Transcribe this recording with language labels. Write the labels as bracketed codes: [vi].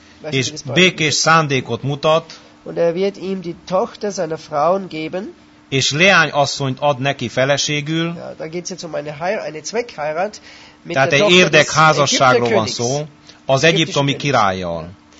[hu] És békés szándékot mutat. [de] Und er wird ihm die Tochter seiner Frauen geben. [hu] És leány asszonyt ad neki feleségül. [de] Ja, da geht's jetzt um eine Zweckheirat [hu] mit tehát egy érdekházasságról van szó az egyiptomi királlyal.